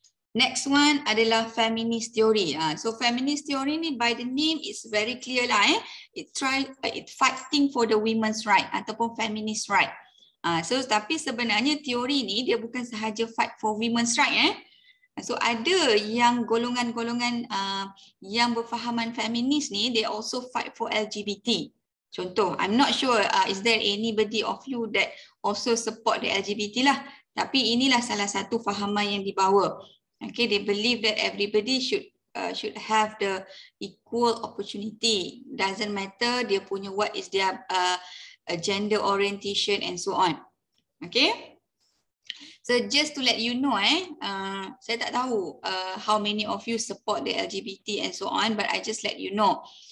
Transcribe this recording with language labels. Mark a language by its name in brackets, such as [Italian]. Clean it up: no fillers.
[English] Next one adalah feminist theory. So feminist theory ni by the name it's very clear lah. It fighting for the women's right ataupun feminist right. [Malay] So tapi sebenarnya teori ni dia bukan sahaja [English] fight for women's right. [Malay] So ada yang golongan-golongan yang berfahaman feminist ni, [English] they also fight for LGBT. [Malay] Contoh, [English] I'm not sure is there anybody of you that also support the LGBT lah. [Malay] Tapi inilah salah satu fahaman yang dibawa. [English] Okay, they believe that everybody should have the equal opportunity. Doesn't matter [Malay] dia punya [English] what is their gender orientation and so on. Okay. So just to let you know, [Malay] saya tak tahu [English] how many of you support the LGBT and so on, but I just let you know.